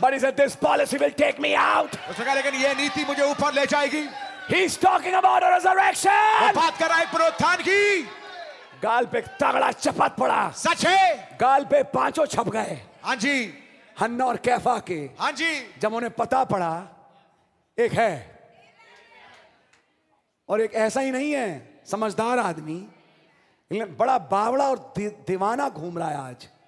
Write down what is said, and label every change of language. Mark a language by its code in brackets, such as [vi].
[en] But he said this policy will take me out. [hi] उसने कहा लेकिन ये नीति मुझे ऊपर ले जाएगी. [en] He's talking about a resurrection. [hi] वो बात कर रहा है पुनरुत्थान की. गाल पे तगड़ा चपत पड़ा. सच है? गाल पे पांचों छप गए. हाँ जी. हन्ना और कैफा के. हाँ जी. जब उन्हें पता पड़ा एक है और एक ऐसा ही नहीं है समझदार आदमी, बड़ा बावड़ा और दीवाना घूम रहा है आज.